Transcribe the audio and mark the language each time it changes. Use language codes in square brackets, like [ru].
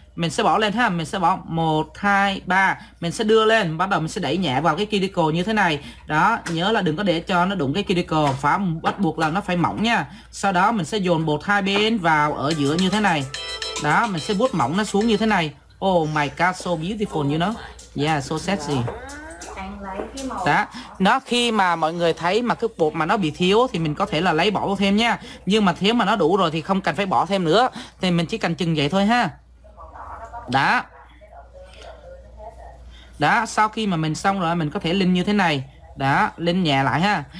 [vi] Mình sẽ bỏ lên ha, mình sẽ bỏ 1, 2, 3. Mình sẽ đưa lên, bắt đầu mình sẽ đẩy nhẹ vào cái cuticle như thế này. Đó, nhớ là đừng có để cho nó đụng cái cuticle, phải bắt buộc là nó phải mỏng nha. Sau đó mình sẽ dồn bột hai bên vào ở giữa như thế này. Đó, mình sẽ vuốt mỏng nó xuống như thế này. [en] Oh my god, so beautiful, you know. Yeah, so sexy. [vi] Đó, nó khi mà mọi người thấy mà cái bột mà nó bị thiếu thì mình có thể là lấy bỏ thêm nha. Nhưng mà thiếu mà nó đủ rồi thì không cần phải bỏ thêm nữa. Thì mình chỉ cần chừng vậy thôi ha. Đó. Đó, sau khi mà mình xong rồi mình có thể lên như thế này. Đó, lên nhẹ lại ha.